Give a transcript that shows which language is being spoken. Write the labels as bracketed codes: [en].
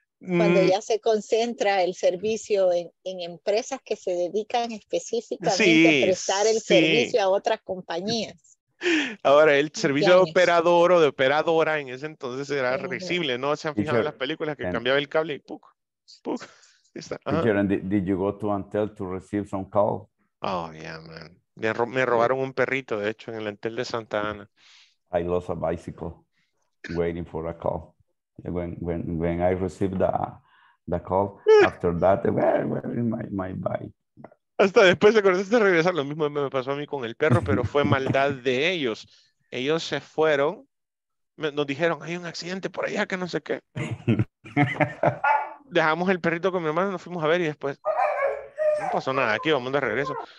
[es] Cuando ya se concentra el servicio en empresas que se dedican específicamente sí, a prestar el sí. servicio a otras compañías. Ahora, el servicio de operador o de operadora en ese entonces era reversible, ¿no? Se han fijado en las películas que cambiaba el cable y ¡puc! [en] Did you go to Antel to receive some call? Oh, yeah, man. [es] Me robaron un perrito, de hecho, en el Antel de Santa Ana. [en] I lost a bicycle waiting for a call. When I received the call, after that, where is my bike? [es] Hasta después de acordarse de regresar, lo mismo me pasó a mí con el perro, pero fue maldad de ellos. Ellos se fueron, nos dijeron, hay un accidente por allá que no sé qué. Dejamos el perrito con mi hermano, nos fuimos a ver y después no pasó nada, aquí vamos de regreso.